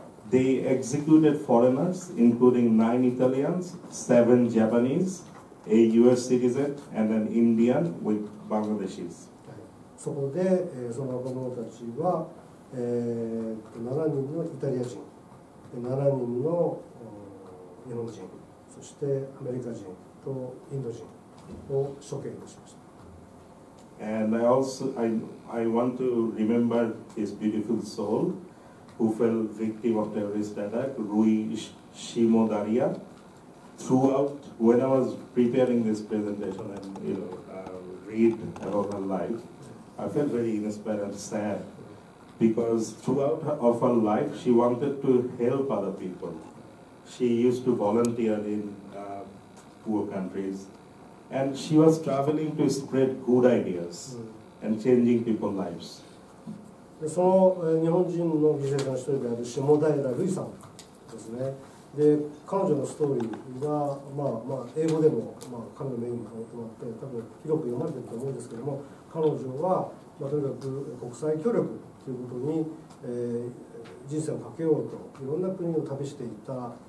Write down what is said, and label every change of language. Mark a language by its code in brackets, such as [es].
[en] They executed foreigners, including 9 Italians, 7 Japanese, a US citizen, and an Indian with Bangladeshis. [ja] そこで、その若者たちは、7人のイタリア人、7人の日本人、そしてアメリカ人とインド人を処刑いたしました。 [en] And I also I want to remember this beautiful soul who fell victim of terrorist attack, Rui Shimodaria. Throughout, when I was preparing this presentation and read about her life, I felt very inspired and sad because throughout of her life, she wanted to help other people. She used to volunteer in poor countries, and she was traveling to spread good ideas and changing people's lives. [ja] その日本人の犠牲者の一人である下平瑠衣さんですね。で、彼女のストーリーが、英語でも、彼女のメインに関わってもらって、多分広く読まれていると思うんですけども、彼女は、とにかく国際協力ということに、人生をかけようといろんな国を旅していた。